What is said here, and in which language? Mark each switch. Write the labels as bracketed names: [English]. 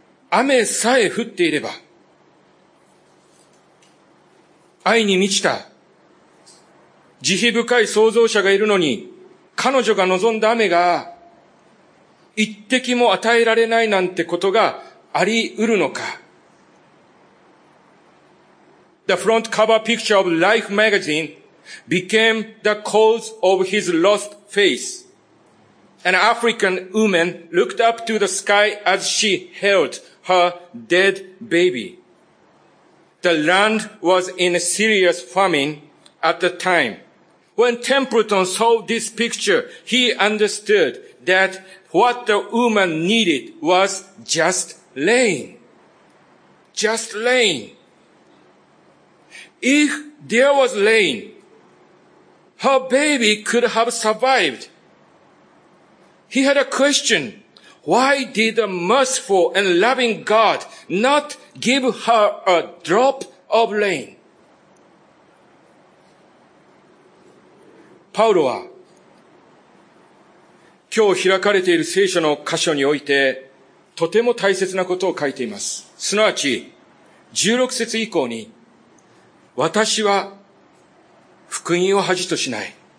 [Japanese] 雨さえ降っていれば愛に満ちた慈悲深い創造者がいるのに彼女が望んだ雨が一滴も与えられないなんてことがあり得るのか。 [English] The front cover picture of Life magazine became the cause of his lost faith. An African woman looked up to the sky as she held her dead baby. The land was in a serious famine at the time. When Templeton saw this picture, he understood that what the woman needed was just rain. Just rain. If there was rain, her baby could have survived. He had a question. Why did a merciful and loving God not give her a drop of rain? [Japanese] パウロは今日開かれている聖書の箇所においてとても大切なことを書いています。すなわち16節以降に、私は福音を恥としない。